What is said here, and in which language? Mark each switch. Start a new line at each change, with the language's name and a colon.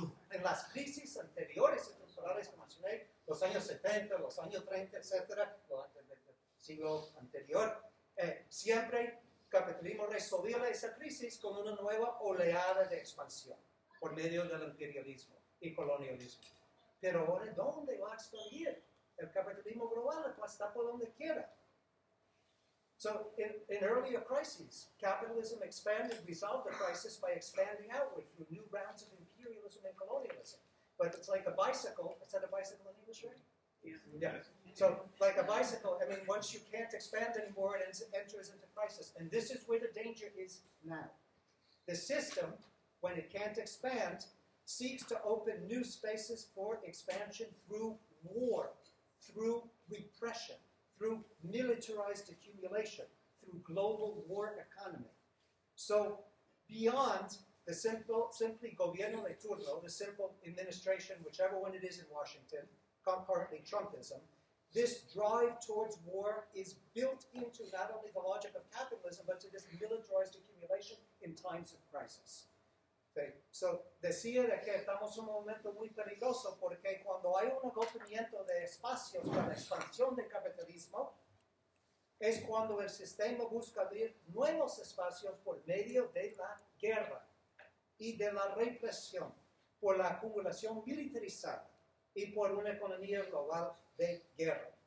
Spanish: En las crisis anteriores estructurales que mencioné, los años 70, los años 30, etcétera, durante el siglo anterior, siempre el capitalismo resolvía esa crisis con una nueva oleada de expansión por medio del imperialismo y colonialismo. Pero ahora, ¿dónde va a expandir el capitalismo global? Está por donde quiera.
English: So, in earlier crises, capitalism expanded, resolved the crisis by expanding outward through new rounds of imperialism and colonialism. But it's like a bicycle. Is that a bicycle in English, right? Yes. So, like a bicycle, I mean, once you can't expand anymore, it enters into crisis. And this is where the danger is now. The system, when it can't expand, seeks to open new spaces for expansion through war, through repression, through militarized accumulation, through global war economy. So beyond the simply
Spanish: gobierno de turno,
English: the simple administration, whichever one it is in Washington, concurrently Trumpism, this drive towards war is built into not only the logic of capitalism, but to this militarized accumulation in times of crisis. Okay.
Spanish: So, decía de que estamos en un momento muy peligroso porque cuando hay un agotamiento de espacios para la expansión del capitalismo, es cuando el sistema busca abrir nuevos espacios por medio de la guerra y de la represión, por la acumulación militarizada y por una economía global de guerra.